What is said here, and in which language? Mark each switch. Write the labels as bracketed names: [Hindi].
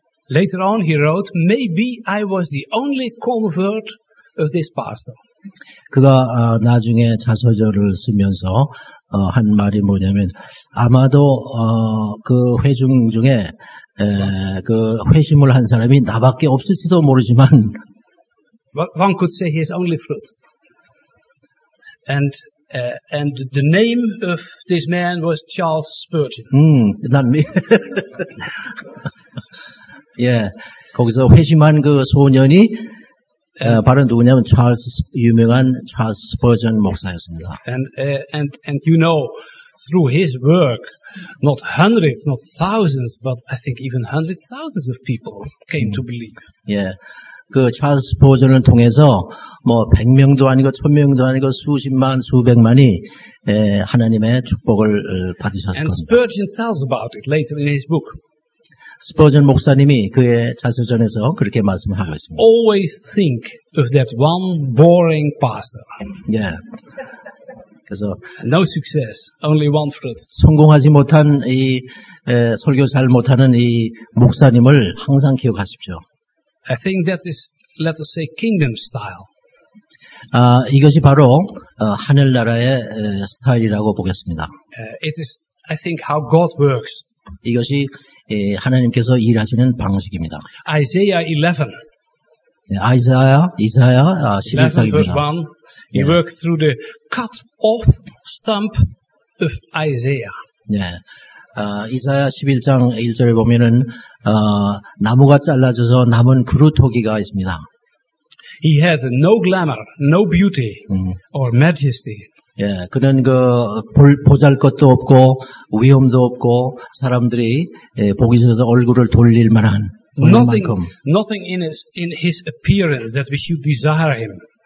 [English] Later on he wrote, maybe I was the only convert of this pastor. [Korean] 그가 나중에 자서전을 쓰면서 한 말이 뭐냐면 아마도 그 회중 중에 그 회심을 한 사람이 나밖에 없을지도 모르지만 [English] one could say his only fruit. And the name of this man was Charles Spurgeon. Not me. Yeah. [Korean] 거기서 회심한 그 소년이 바로 누구냐면 유명한 찰스 스퍼전 목사였습니다. [English] And you know, through his work, not hundreds, not thousands, but I think even hundreds thousands of people came to believe. [Korean] 예, 그 찰스 스퍼전을 통해서 뭐 100명도 아니고 1000명도 아니고 수십만 수백만이 하나님의 축복을 받으셨습니다. [English] And Spurgeon tells about it later in his book. [Korean] 스퍼전 목사님이 그의 자서전에서 그렇게 말씀을 하고 있습니다. [English] Always think of that one boring pastor. [Korean] Yeah. 그래서 [English] no success, only one fruit. [Korean] 성공하지 못한 설교 잘 못하는 이 목사님을 항상 기억하십시오. [English] I think that is, let us say, kingdom style. [Korean] 이것이 바로 하늘나라의 스타일이라고 보겠습니다. [English] It is, I think, how God works. [Korean] 이것이 하나님께서 일하시는 방식입니다. [English] Isaiah 11. [Korean] 이사야 11장입니다. [English] Verse 1. He worked through the cut off stump of Isaiah. [Korean] 네. 이사야 11장 1절을 보면은 나무가 잘라져서 남은 그루터기가 있습니다. [English] He had no glamour, no beauty or majesty. [Korean] 예, 그는 그 보잘 것도 없고 위엄도 없고 사람들이 보기 싫어서 얼굴을 돌릴 만한 [English] nothing만큼. Nothing in his appearance that we should desire him.